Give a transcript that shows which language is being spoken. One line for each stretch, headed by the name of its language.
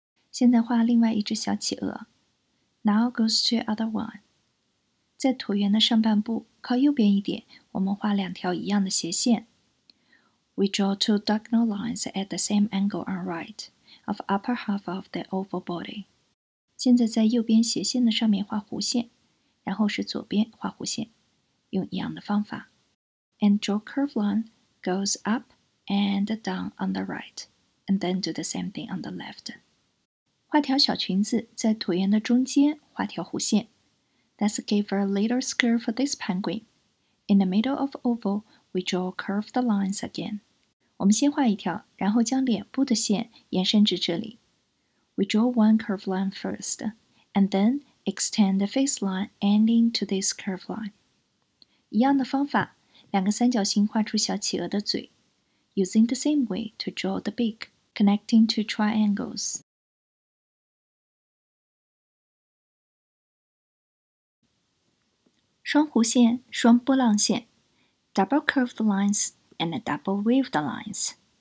Chinese: 现在画另外一只小企鹅。
English: Now goes to other one.
Chinese: 在椭圆的上半部靠右边一点，我们画两条一样的斜线。
English: We draw two diagonal lines at the same angle on right of upper half of the oval body.
Chinese: 现在在右边斜线的上面画弧线，然后是左边画弧线，用一样的方法。
English: And draw curved line goes up and down on the right, and then do the same thing on the left.
Chinese: 画条小裙子，在椭圆的中间画条弧线。
English: Let's give a little skirt for this penguin. In the middle of oval, we draw curved lines again.
Chinese: 我们先画一条，然后将脸部的线延伸至这里。
English: We draw one curved line first, and then extend the face line ending to this curved line.
Chinese: 一样的方法，两个三角形画出小企鹅的嘴。
English: Using the same way to draw the beak, connecting two triangles.
Chinese: 双弧线，双波浪线
English: ，double curved lines and double waved lines。